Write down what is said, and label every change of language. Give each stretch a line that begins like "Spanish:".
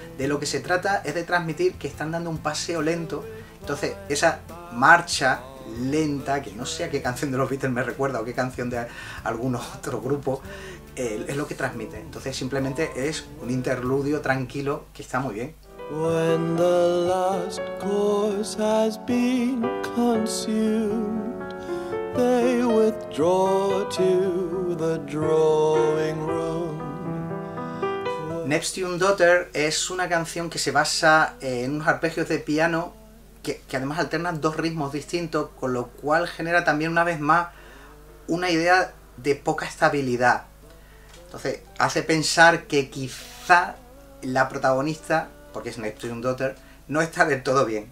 Spanish: De lo que se trata es de transmitir que están dando un paseo lento. Entonces, esa marcha lenta, que no sé a qué canción de los Beatles me recuerda o qué canción de algún otro grupo, es lo que transmite. Entonces, simplemente es un interludio tranquilo que está muy bien.
English: When the last course has been consumed, they withdraw to the drawing room.
Spanish: Neptune Daughter es una canción que se basa en unos arpegios de piano que además alternan dos ritmos distintos, con lo cual genera también una vez más una idea de poca estabilidad. Entonces, hace pensar que quizá la protagonista, porque es Neptune Daughter, no está del todo bien.